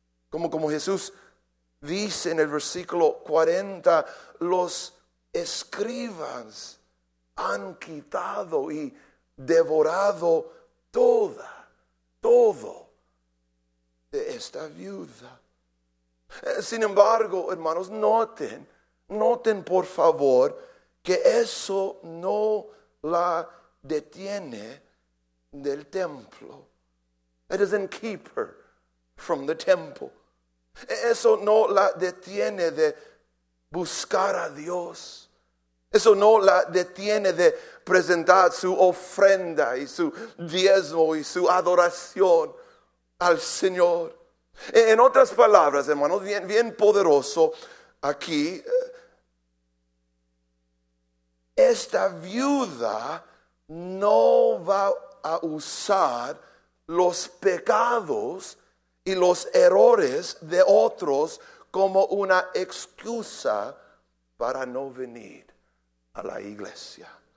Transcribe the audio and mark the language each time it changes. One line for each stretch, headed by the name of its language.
Spanish: Como Jesús dice en el versículo 40, los escribas han quitado y devorado todo de esta viuda. Sin embargo, hermanos, noten por favor que eso no la detiene del templo.
English: It doesn't keep her from the temple.
Spanish: Eso no la detiene de buscar a Dios. Eso no la detiene de presentar su ofrenda y su diezmo y su adoración al Señor. En otras palabras, hermanos, bien, bien poderoso aquí, esta viuda no va a usar los pecados y los errores de otros como una excusa para no venir a la iglesia.